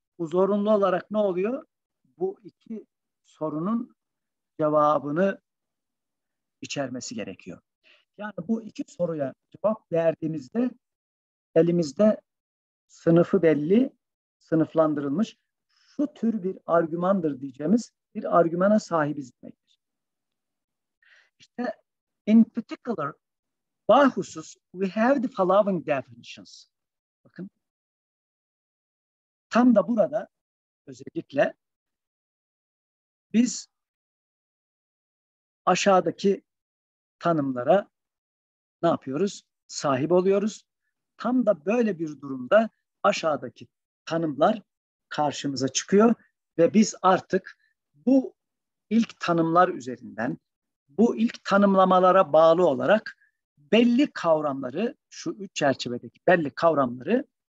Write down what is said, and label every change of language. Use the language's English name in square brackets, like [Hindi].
[Turkish] Bu zorunlu olarak ne oluyor? Bu iki sorunun cevabını içermesi gerekiyor. Yani bu iki soruya cevap verdiğimizde elimizde sınıfı belli, sınıflandırılmış, şu tür bir argümandır diyeceğimiz bir argümana sahibiz demektir. [English] İşte in particular, bahusus we have the following definitions. [Turkish] Bakın, tam da burada özellikle biz aşağıdaki tanımlara ne yapıyoruz? Sahip oluyoruz. Tam da böyle bir durumda aşağıdaki tanımlar karşımıza çıkıyor ve biz artık bu ilk tanımlar üzerinden, bu ilk tanımlamalara bağlı olarak belli kavramları, şu üç çerçevedeki belli kavramları